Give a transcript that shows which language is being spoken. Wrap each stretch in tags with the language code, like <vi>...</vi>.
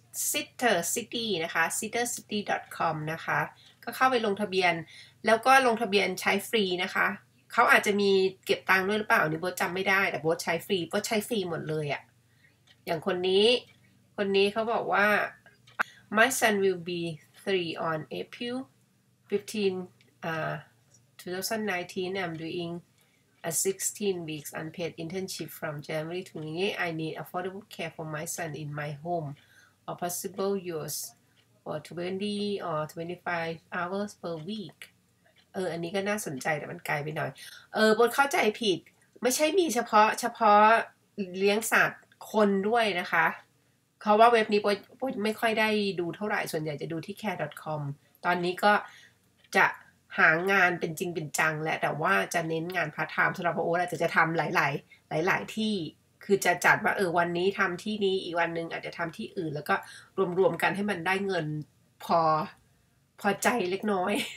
<th>sitter city นะคะ sittercity.com นะคะก็เข้าไปลงทะเบียนแล้วก็ลงทะเบียนใช้ฟรีนะคะเขาอาจจะมีเก็บตังค์ด้วยหรือเปล่าอันนี้โบ๊ทจำไม่ได้แต่โบ๊ทใช้ฟรีหมดเลยอะอย่างคนนี้เขาบอกว่า</th> <en>my son will be 3 on April 15 2019 I'm doing a 16 weeks unpaid internship from January to May. I need affordable care for my son in my home or possible yours for 20 or 25 hours per week.</en> <th>อันนี้ก็น่าสนใจแต่มันไกลไปหน่อยบทเข้าใจผิดไม่ใช่มีเฉพาะเลี้ยงสัตว์คนด้วยนะคะเขาว่าเว็บนี้บทไม่ค่อยได้ดูเท่าไหร่ส่วนใหญ่จะดูที่ care.com ตอนนี้ก็จะหางานเป็นจริงเป็นจังและแต่ว่าจะเน้นงานพาร์ทไทม์สำหรับโอ๊ตอาจจะทำหลายที่คือจะจัดว่าวันนี้ทำที่นี้อีกวันนึงอาจจะทำที่อื่นแล้วก็รวมกันให้มันได้เงินพอใจเล็กน้อย</th>